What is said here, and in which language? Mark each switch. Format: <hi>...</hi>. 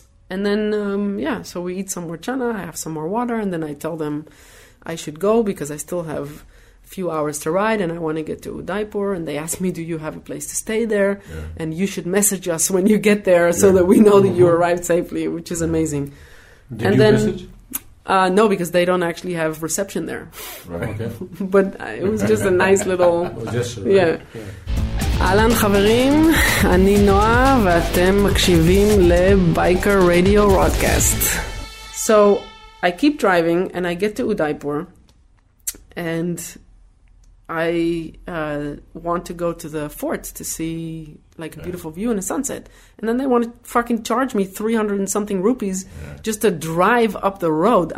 <en>And then, yeah, so we eat some more chana, I have some more water, and then I tell them I should go because I still have a few hours to ride and I want to get to Udaipur. And they ask me, do you have a place to stay there? Yeah. And you should message us when you get there so yeah. that we know that you arrived safely, which is amazing. Did and you then, message? No, because they don't actually have reception there. Right. Okay. But it was just a nice little... Well, gesture, yeah. Right? Yeah.</en> <he>אהלן חברים, אני נועה ואתם מקשיבים לבייקר רדיו רודקאסט.</he> <en>So, I keep driving and I get to Udaipur and I want to go to the fort to see like a beautiful view and a sunset. And then they want to fucking charge me 300 and something rupees just to drive up the road.</en>